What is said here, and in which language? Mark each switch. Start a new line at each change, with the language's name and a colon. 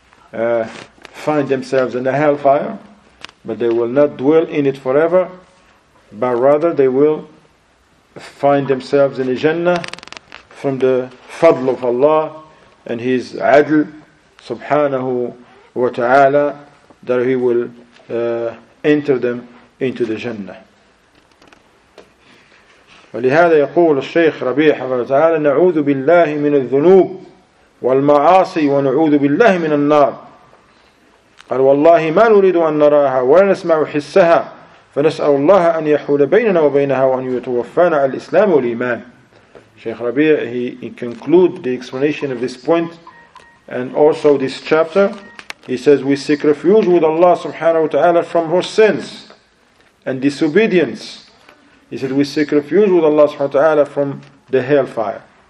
English: find themselves in the hellfire, but they will not dwell in it forever, but rather they will find themselves in the Jannah from the fadl of Allah and His adl, subhanahu wa ta'ala, that He will enter them into the Jannah.
Arabic: ولهذا يقول الشيخ ربيع حفظه تعالى نعوذ بالله من الذنوب والمعاصي ونعوذ بالله من النار قال والله ما نريد أن نراها ولا نسمع حسها فنسأل الله أن يحول بيننا وبينها وأن يتوفانا على الإسلام والإيمان.
English: الشيخ ربيع, he concludes the explanation of this point and also this chapter. He says, we seek refuge with Allah subhanahu wa ta'ala from her sins and disobedience. He said, we seek refuge with Allah subhanahu wa ta'ala from the hellfire.